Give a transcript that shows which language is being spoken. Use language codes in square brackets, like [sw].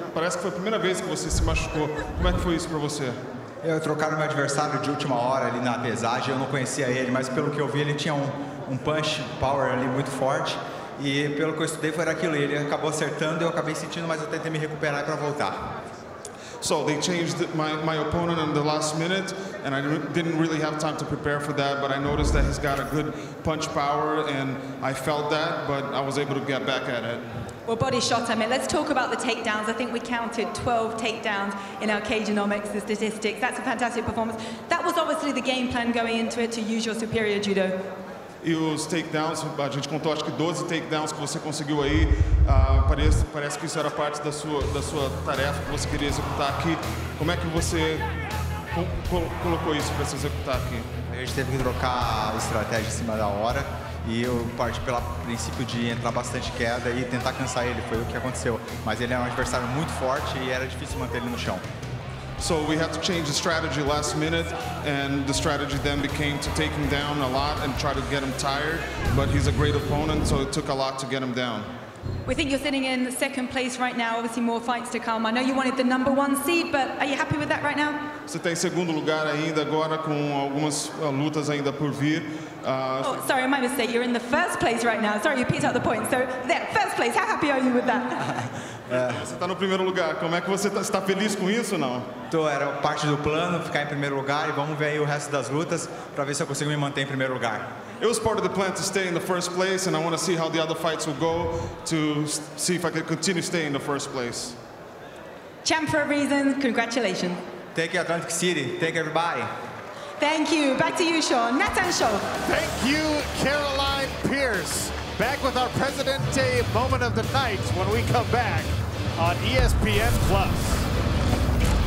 [pt] Parece que foi a primeira vez que você se machucou. Como é que foi isso para você? Eu trocaram meu adversário de última hora ali na pesagem, eu não conhecia ele, mas pelo que eu vi ele tinha um punch power ali muito forte e pelo que eu estudei foi aquilo, ele acabou acertando e eu acabei sentindo, mas eu tentei me recuperar para voltar. [en] So they changed my opponent in the last minute and I didn't really have time to prepare for that, but I noticed that he's got a good punch power and I felt that, but I was able to get back at it. Well, body shot, I mean, let's talk about the takedowns. I think we counted 12 takedowns in our Cajunomics, the statistics. That's a fantastic performance. That was obviously the game plan going into it, to use your superior judo. [pt] E os takedowns, a gente contou acho que 12 takedowns que você conseguiu aí. Parece que isso era parte da sua tarefa que você queria executar aqui. Como é que você colocou isso para se executar aqui? A gente teve que trocar a estratégia em cima da hora. E eu parti pelo princípio de entrar bastante queda e tentar cansar ele, foi o que aconteceu. Mas ele era um adversário muito forte e era difícil manter ele no chão. [en] So we had to change the strategy last minute, and the strategy then became to take him down a lot and try to get him tired. But he's a great opponent, so it took a lot to get him down. We think you're sitting in second place right now, obviously more fights to come. I know you wanted the number one seed, but are you happy with that right now? [pt] Você tem segundo lugar ainda agora, com algumas lutas ainda por vir. [en] Sorry, I might mistake. You're in the first place right now. Sorry, you picked up the point. So there, first place. How happy are you with that? [pt] Você está no primeiro lugar. Como é que você está feliz com isso ou não? Então, era parte do plano, ficar em primeiro lugar. E vamos ver aí o resto das lutas para ver se eu consigo me manter em primeiro lugar. [en] It was part of the plan to stay in the first place, and I want to see how the other fights will go to see if I can continue staying in the first place. Champ for a reason. Congratulations. Thank you, Atlantic City. Thank you, everybody. Thank you. Back to you, Sean. Natan Schulte. Thank you, Caroline Pierce. Back with our Presidente moment of the night when we come back on ESPN Plus.